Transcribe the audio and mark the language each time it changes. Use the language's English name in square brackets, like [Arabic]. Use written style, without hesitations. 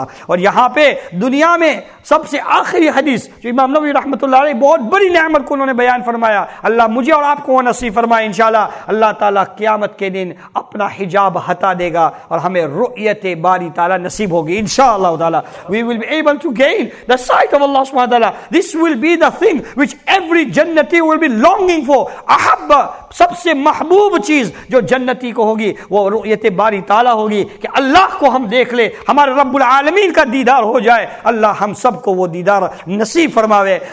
[Urdu] اور یہاں پہ دنیا میں سب سے آخری حدیث جو امام نووی رحمت اللہ علیہ بہت بڑی نعمت کو انہوں نے بیان فرمایا, اللہ مجھے اور آپ کو وہ نصیب فرمائے انشاءاللہ. اللہ تعالیٰ قیامت کے دن اپنا حجاب ہٹا دے گا اور ہمیں رؤیت باری تعالیٰ نصیب ہوگی انشاءاللہ تعالیٰ. [English] We will be able to gain the sight of Allah سبحانہ وتعالیٰ. This will be the thing which every jannati will be longing for. [Urdu] احب, سب سے محبوب چیز جو جنتی کو ہوگی وہ رؤیت باری تعالیٰ ہوگی کہ اللہ کو ہم دیکھ لے, ہمارے رب العالمین کا دیدار ہو جائے. اللہ ہم سب کو وہ دیدار نصیب فرماوے.